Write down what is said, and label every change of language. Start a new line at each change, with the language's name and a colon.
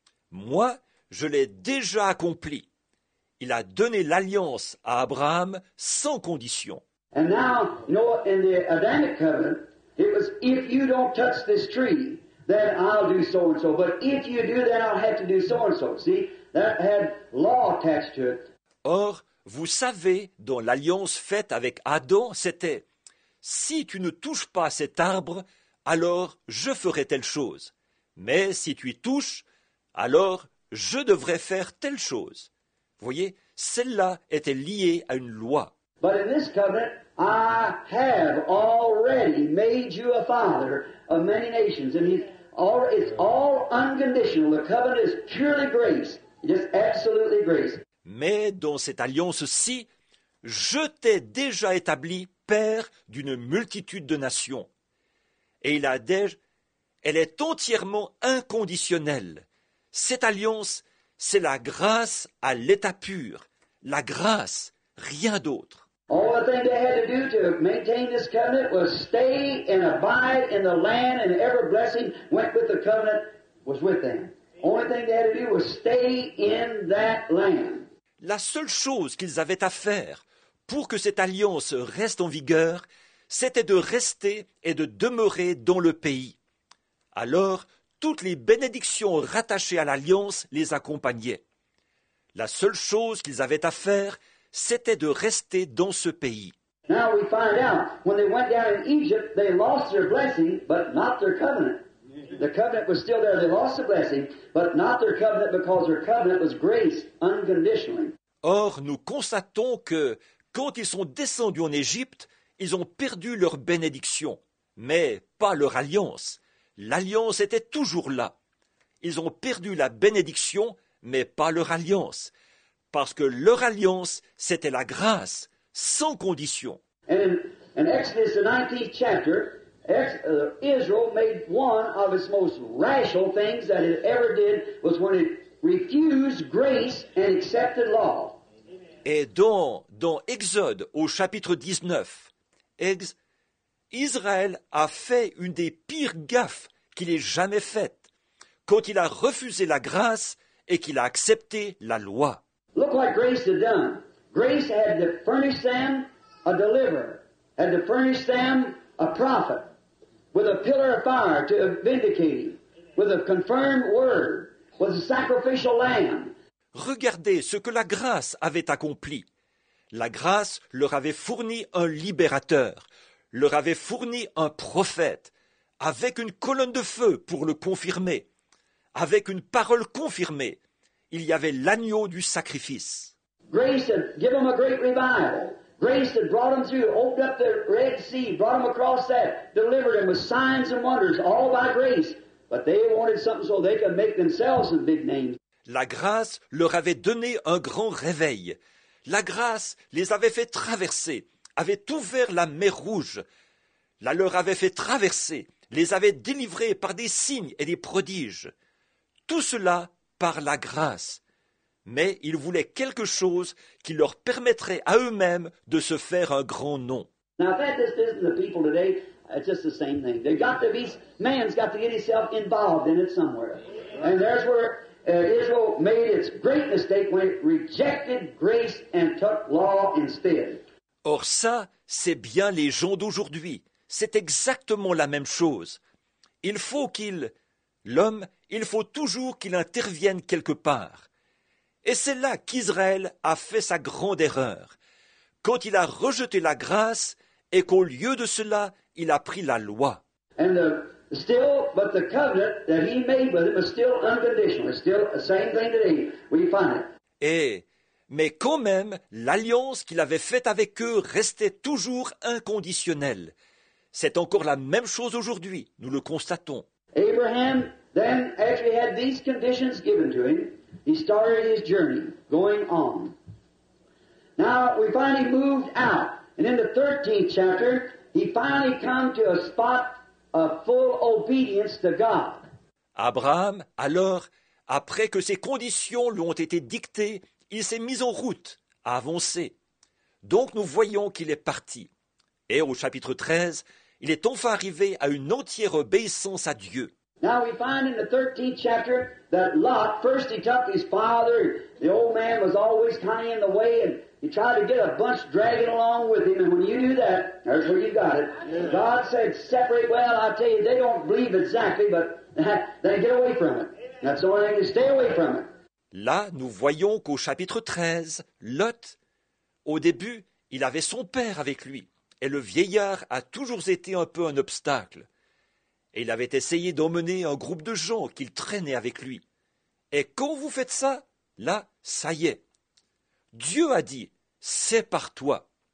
French: Moi, je l'ai déjà accompli. Il a donné l'alliance à Abraham sans condition.
English: And now, you know, in the Adamic covenant, it was, if you don't touch this tree, then I'll do so and so. But if you do, then I'll have to do so and so. See? That had law attached to it.
French: Or, vous savez, dans l'alliance faite avec Adam, c'était « Si tu ne touches pas cet arbre, alors je ferai telle chose. Mais si tu y touches, alors je devrais faire telle chose. » Vous voyez, celle-là était liée à une loi.
English: But in this covenant, I have already made you a father of many nations. And it's all unconditional. The covenant is purely grace. Just absolutely grace.
French: Mais dans cette alliance-ci, je t'ai déjà établi père d'une multitude de nations. Et il a déjà, elle est entièrement inconditionnelle. Cette alliance, c'est la grâce à l'état pur. La grâce, rien d'autre.
English: All the thing they had to do to maintain this covenant was stay and abide in the land, and every blessing went with the covenant was with them. Only thing they had to do was stay in that land.
French: La seule chose qu'ils avaient à faire pour que cette alliance reste en vigueur, c'était de rester et de demeurer dans le pays. Alors, toutes les bénédictions rattachées à l'alliance les accompagnaient. La seule chose qu'ils avaient à faire, c'était de rester dans ce pays.
English: Now we find out, when they went down in Egypt, they lost their blessing, but not their covenant. The covenant was still there, they lost the blessing, but not their covenant, because their covenant was grace, unconditionally.
French: Or, nous constatons que, quand ils sont descendus en Égypte, ils ont perdu leur bénédiction, mais pas leur alliance. L'alliance était toujours là. Ils ont perdu la bénédiction, mais pas leur alliance. Parce que leur alliance, c'était la grâce, sans condition.
English: In Exodus, the 19th chapter, Israel made one of its most rational things that it ever did was when it refused grace and accepted law.
French: Et dans Exode, au chapitre 19, Israël a fait une des pires gaffes qu'il ait jamais faite quand il a refusé la grâce et qu'il a accepté la loi.
English: Look what grace had done. Grace had to furnish them a deliverer, had to furnish them a prophet, with a pillar of fire to vindicate him, with a confirmed word, with a sacrificial lamb.
French: Regardez ce que la grâce avait accompli. La grâce leur avait fourni un libérateur, leur avait fourni un prophète, avec une colonne de feu pour le confirmer, avec une parole confirmée. Il y avait l'agneau du sacrifice.
English: Grace had given them a great revival. Grace had brought them through, opened up the Red Sea, brought them across that, delivered them with signs and wonders, all by grace. But they wanted something so they could make themselves some big names.
French: La grâce leur avait donné un grand réveil. La grâce les avait fait traverser, avait ouvert la mer Rouge. La leur avait fait traverser, les avait délivrés par des signes et des prodiges. Tout cela par la grâce. Mais ils voulaient quelque chose qui leur permettrait à eux-mêmes de se faire un grand nom.
English: Now, if this isn't the people today, it's just the same thing. They've got to be, man's got to get himself involved in it somewhere. And there's where Israel made its great mistake when it rejected grace and took law instead.
French: Or ça, c'est bien les gens d'aujourd'hui. C'est exactement la même chose. Il faut qu'il, l'homme, il faut toujours qu'il intervienne quelque part. Et c'est là qu'Israël a fait sa grande erreur, quand il a rejeté la grâce et qu'au lieu de cela, il a pris la loi.
English: And the, still, but the covenant that he made with him was still unconditional. It's still the same thing today. We find it.
French: Et, mais quand même, l'alliance qu'il avait faite avec eux restait toujours inconditionnelle. C'est encore la même chose aujourd'hui, nous le constatons.
English: Abraham, then, after he had these conditions given to him, he started his journey, going on. Now, we finally moved out, and in the 13th chapter, he finally come to a spot of full obedience to God.
French: Abraham, alors, après que ses conditions lui ont été dictées, il s'est mis en route, a avancé. Donc, nous voyons qu'il est parti. Et au chapitre 13, il est enfin arrivé à une entière obéissance à Dieu.
English: Now we find in the 13th chapter that Lot, first he took his father, the old man was always kind of in the way, and he tried to get a bunch dragging along with him, and when you do that, there's where you got it. God said, separate, well, I tell you, they don't believe exactly, but they get away from it. That's the only thing, to stay away from it.
French: Là, nous voyons qu'au chapitre 13, Lot, au début, il avait son père avec lui, et le vieillard a toujours été un peu un obstacle. Et il avait essayé d'emmener un groupe de gens qu'il traînait avec lui. Et quand vous faites ça, là, ça y est. Dieu a dit, c'est par toi.